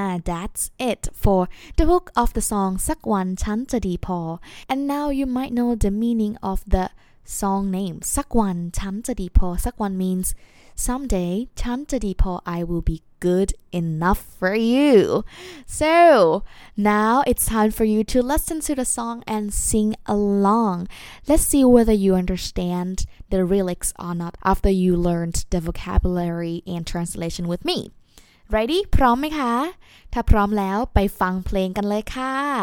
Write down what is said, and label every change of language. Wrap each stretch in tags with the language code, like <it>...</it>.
<en>that's it for the hook of the song</en> <th>สักวันฉันจะดีพอ</th> <en>and now you might know the meaning of the song name สักวัน</en> <th>ฉันจะดีพอ</th> <en>สักวัน means someday ฉันจะดีพอ I will beGood enough for you. So now it's time for you to listen to the song and sing along. Let's see whether you understand the lyrics or not after you learned the vocabulary and translation with me. Ready?</en> <th>พร้อมไหมคะ ถ้าพร้อมแล้วไปฟังเพลงกันเลยค่ะ</th>